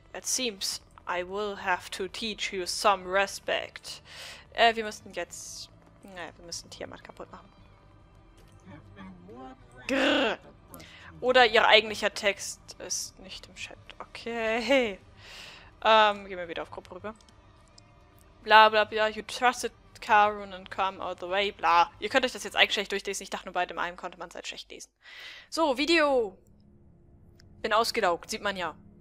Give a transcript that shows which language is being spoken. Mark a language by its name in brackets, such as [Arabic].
[English] It seems I will have to teach you some respect. [German] Wir müssten jetzt. Naja, wir müssen Tiamat kaputt machen. Grrr. Oder ihr eigentlicher Text ist nicht im Chat. Okay. Gehen wir wieder auf Gruppe rüber. [English] Bla bla bla, you trusted Karun and come all the way, bla. [German] Ihr könnt euch das jetzt eigentlich schlecht durchlesen. Ich dachte nur, bei dem einen konnte man es halt schlecht lesen. So, Video! Bin ausgelaugt, sieht man ja.